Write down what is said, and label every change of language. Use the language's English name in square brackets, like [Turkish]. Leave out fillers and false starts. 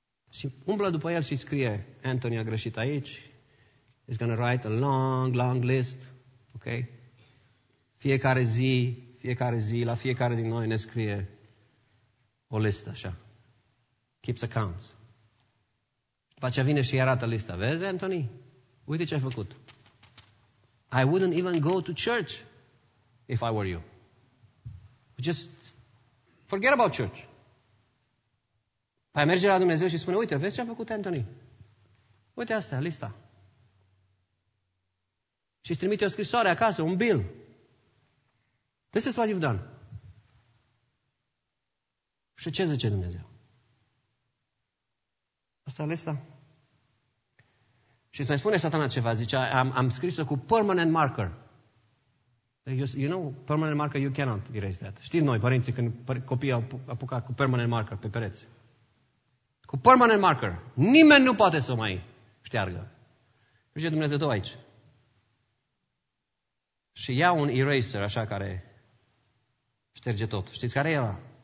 [Romanian] Și umblă după el și scrie, Anthony a greșit aici, [English] he's going to write a long, long list, ok? [Romanian] Fiecare zi, la fiecare din noi ne scrie o listă, așa. [English] Keeps accounts. [Romanian] După aceea vine și arată lista. Vezi, Anthony? Uite ce ai făcut. [English] I wouldn't even go to church if I were you. Just forget about church. [Romanian] Păi merge la Dumnezeu și spune, uite, vezi ce a făcut Anthony? Uite asta, lista. Și îți trimite o scrisoare acasă, un bill. [English] This is what you've done. [Romanian] Și ce zice Dumnezeu? Asta e lista? Și să-mi spune Satana ceva, zice, am scris-o cu permanent marker. [English] You know, permanent marker, you cannot erase that. [Romanian] Știm noi, părinții, când copiii au apucat cu permanent marker pe pereți. Cu permanent marker. Nimeni nu poate să o mai șteargă. Și Dumnezeu tău aici. Și ia un eraser, așa, care șterge tot. Știți care e ăla?